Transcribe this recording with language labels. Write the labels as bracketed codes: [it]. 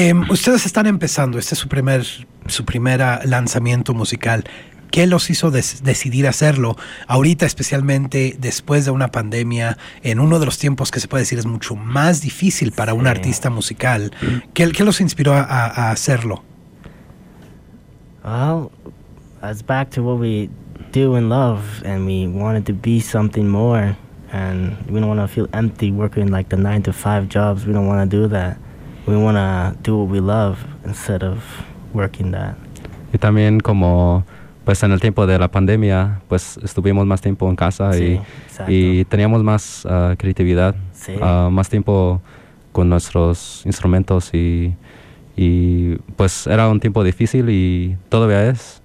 [es] Ustedes están empezando, este es su primer lanzamiento musical. ¿Qué los hizo decidir hacerlo ahorita, especialmente después de una pandemia, en uno de los tiempos que se puede decir es mucho más difícil para un artista musical? ¿Qué los inspiró a hacerlo? [en] Well, it's back to what we do and love, and we wanted to be something more, and we don't want to feel empty working like the 9-to-5 jobs. We don't want to do that. We want to do what we love instead of working that. [es] Y también como... Pues en el tiempo de la pandemia, pues estuvimos más tiempo en casa, sí, y teníamos más creatividad, sí. Más tiempo con nuestros instrumentos y pues era un tiempo difícil y todavía es.